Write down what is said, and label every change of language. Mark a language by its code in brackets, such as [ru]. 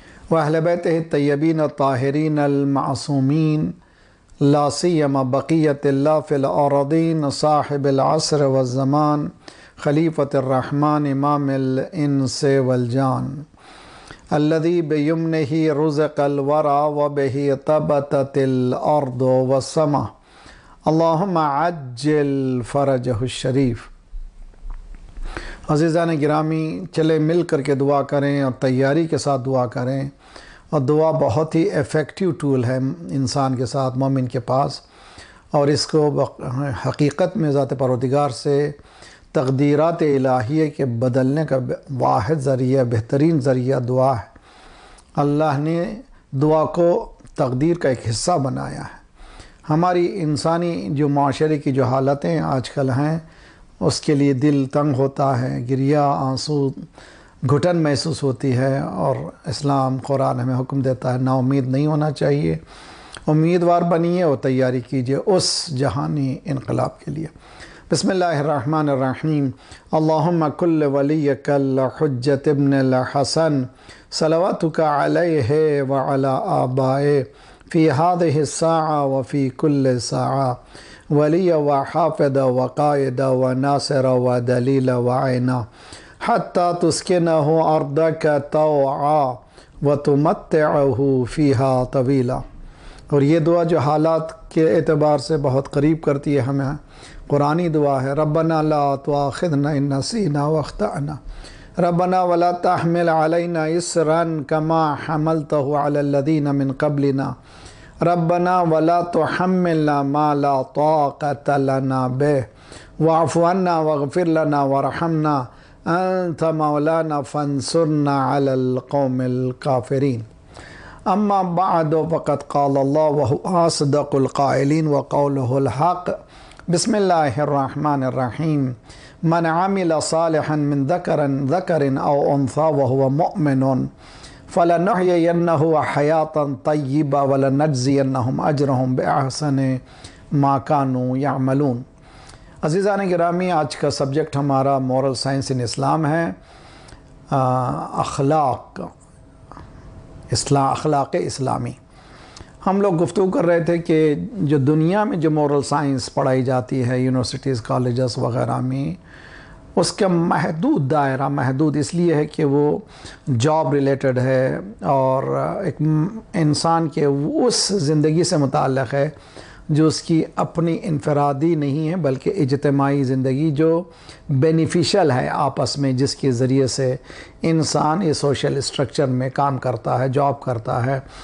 [ar] وأهل بيته الطيبين الطاهرين المعصومين، لا سيما بقية الله في الأراضين، صاحب العصر والزمان، خليفة الرحمن، إمام الإنس والجان، الذي بيمنه رزق الورى وبه ثبتت الأرض والسماء، اللهم عجل فرجه الشريف. [ur] عزیزان گرامی، چلے مل کر کے دعا کریں اور تیاری کے ساتھ دعا کریں، اور دعا بہت ہی ایفیکٹیو ٹول ہے انسان کے ساتھ، مومن کے پاس، اور اس کو حقیقت میں ذات پروردگار سے تقدیرات الہیہ کے بدلنے کا واحد ذریعہ، بہترین ذریعہ دعا ہے. اللہ نے دعا کو تقدیر کا ایک حصہ بنایا ہے. ہماری انسانی جو معاشرے کی جو حالتیں آج کل ہیں، اس کے لیے دل تنگ ہوتا ہے، گریہ، آنسو، گھٹن محسوس ہوتی ہے، اور اسلام قرآن ہمیں حکم دیتا ہے نا امید نہیں ہونا چاہیے، امیدوار بنیے اور تیاری کیجئے اس جہانی انقلاب کے لیے. [ar] بسم اللہ الرحمن الرحیم. اللهم كل وليك الحجة ابن الحسن صلواتك عليه وعلى آبائه في هذه الساعة وفي كل ساعة، ولي وحافظ وقائد وناصر ودليل وعينا، حتى تسكنه أرضك طوعا وتمتعه فيها طويلا. [ur] اور یہ دعا جو حالات کے اعتبار سے بہت قریب کرتی ہے ہمیں، قرآنی دعا ہے. [ar] ربنا لا تواخذنا ان نسینا واخطأنا، ربنا ولا تحمل علينا اسرا كما حملته على الذين من قبلنا، ربنا ولا تحملنا ما لا طاقة لنا به، واعف عنا واغفر لنا وارحمنا، انت مولانا فانصرنا على القوم الكافرين. اما بعد، فقد قال الله وهو اصدق القائلين وقوله الحق. بسم الله الرحمن الرحيم. من عمل صالحا من ذكر او انثى وهو مؤمن فلنحيينه حياه طيبه ولنجزينهم اجرهم باحسن ما كانوا يعملون. [ur] عزیزان گرامی، آج کا سبجیکٹ ہمارا [en] moral science in Islam [ur] ہے، اخلاق، اخلاق اسلامی. ہم لوگ گفتگو کر رہے تھے کہ جو دنیا میں جو مورل سائنس پڑھائی جاتی ہے یونیورسٹیز، کالجز وغیرہ میں، اس کا محدود دائرہ، محدود اس لیے ہے کہ وہ جاب ریلیٹڈ ہے اور ایک انسان کے اس زندگی سے متعلق ہے جو اس کی اپنی انفرادی نہیں ہے بلکہ اجتماعی زندگی، جو بینیفیشل ہے آپس میں، جس کے ذریعے سے انسان یہ سوشل اسٹرکچر میں کام کرتا ہے، جاب کرتا ہے.